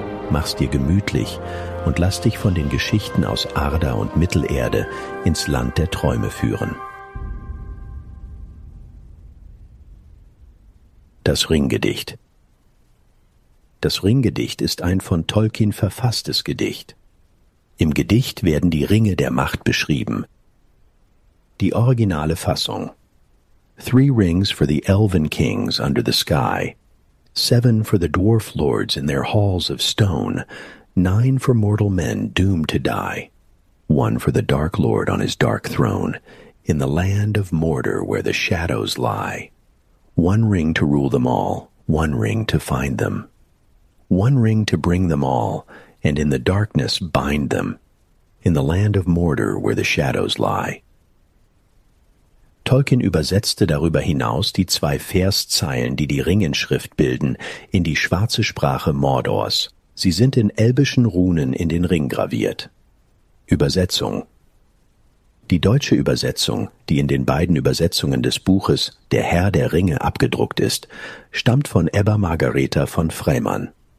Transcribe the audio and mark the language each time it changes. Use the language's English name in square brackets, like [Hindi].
[German] Mach's dir gemütlich und lass dich von den Geschichten aus Arda und Mittelerde ins Land der Träume führen. Das Ringgedicht. Das Ringgedicht ist ein von Tolkien verfasstes Gedicht. Im Gedicht werden die Ringe der Macht beschrieben. Die originale Fassung: [English] 3 rings for the elven kings under the sky, 7 for the dwarf lords in their halls of stone, 9 for mortal men doomed to die, 1 for the dark lord on his dark throne, in the land of Mordor where the shadows lie, 1 ring to rule them all, 1 ring to find them, 1 ring to bring them all, and in the darkness bind them, in the land of Mordor where the shadows lie. [German] Tolkien übersetzte darüber hinaus die 2 Verszeilen, die die Ringenschrift bilden, in die schwarze Sprache Mordors. Sie sind in elbischen Runen in den Ring graviert. Übersetzung: Die deutsche Übersetzung, die in den beiden Übersetzungen des Buches »Der Herr der Ringe« abgedruckt ist, stammt von Ebba Margareta von Freimann.